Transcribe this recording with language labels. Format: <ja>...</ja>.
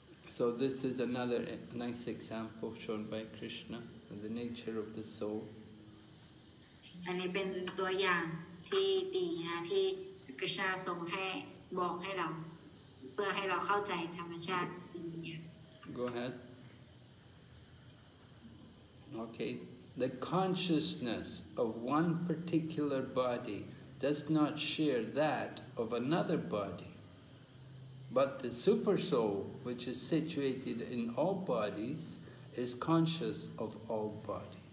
<en>So this is another nice example shown by Krishna of the nature of the soul.</en> <th>อันนี้เป็นตัวอย่างที่ดีนะที่ Krishna ทรงให้บอกให้เราเพื่อให้เราเข้าใจธรรมชาติจริ</th> <en>งๆ Go ahead. Okay, the consciousness of one particular body does not share that of another body, but the super soul, which is situated in all bodies, is conscious of all bodies.</en>